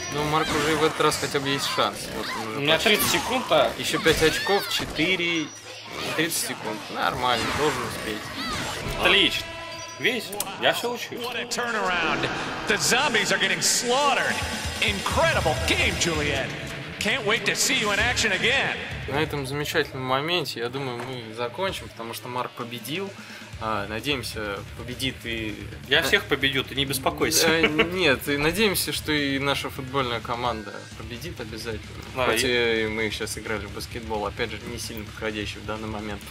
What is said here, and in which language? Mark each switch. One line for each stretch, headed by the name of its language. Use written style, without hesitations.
Russian: Марк уже в этот раз хотя бы есть шанс. Вот у меня почти. 30 секунд, а? Еще 5 очков, 4, 30 секунд. Нормально, должен успеть. Отлично. Весь, я все учу.
English: What a turnaround. The zombies are getting slaughtered. Incredible game, Juliet. Can't wait to see you in action again.
Russian: На этом замечательном моменте, я думаю, мы закончим, потому что Марк победил. Надеемся, победит и... Я всех победю, ты не беспокойся. Нет, и надеемся, что и наша футбольная команда победит обязательно. Мы сейчас играли в баскетбол, опять же, не сильно подходящий в данный момент.